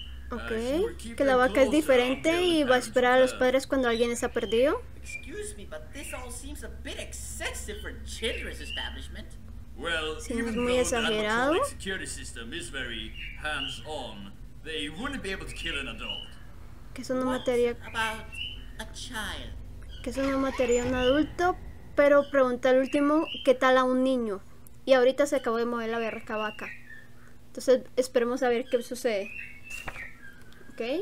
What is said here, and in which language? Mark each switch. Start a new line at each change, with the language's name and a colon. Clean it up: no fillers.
Spanish: Okay. Que la vaca es diferente y va a esperar a los padres cuando alguien está perdido.
English: Excuse me, but this all seems a bit excessive for children's establishment. Well,
Spanish: sí, even es muy exagerado.
English: The security system is very hands-on. They wouldn't be able to kill an adult.
Spanish: Que eso no mataría.
English: About a child.
Spanish: Que eso no mataría a un adulto, pero pregunta al último qué tal a un niño. Y ahorita se acabó de mover la berraca vaca. Entonces esperemos a ver qué sucede. ¿Ok?